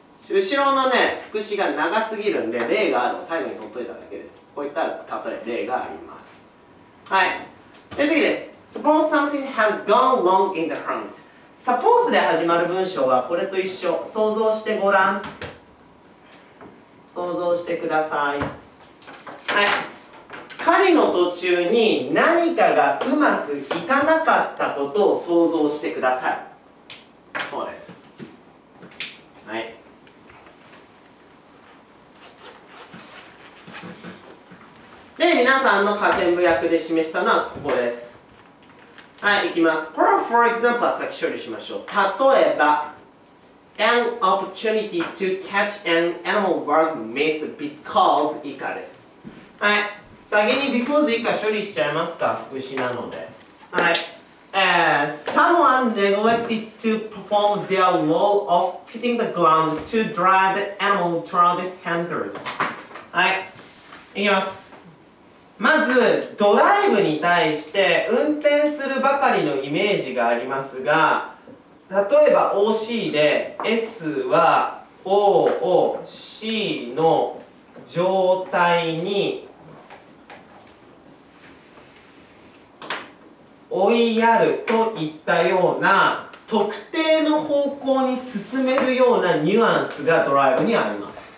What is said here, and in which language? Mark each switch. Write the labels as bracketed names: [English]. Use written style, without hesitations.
[Japanese] 後ろのね、副詞が長すぎるんで例があるのを最後に取っといただけです。こういった例え例があります。はい、で次です。 [English] Suppose something has gone wrong in the hunt。 [Japanese] Suppose で始まる文章はこれと一緒。想像してごらん、想像してください。はい、狩りの途中に何かがうまくいかなかったことを想像してください。こうです。はい、で、皆さんの下線部訳で示したのはここです。はい、いきます。これは、 [English] for example [Japanese] は先処理しましょう。例えば、 [English] an opportunity to catch an animal was missed because 以下です。 [Japanese] はい、先に because 以下処理しちゃいますか、副詞なので。 [English] はい、someone neglected to perform their role of hitting the ground to drive the animal toward hunters。 [Japanese] はい、いきます。まず、ドライブに対して運転するばかりのイメージがありますが、例えば OC で S は OOC の状態に追いやるといったような特定の方向に進めるようなニュアンスがドライブにあります。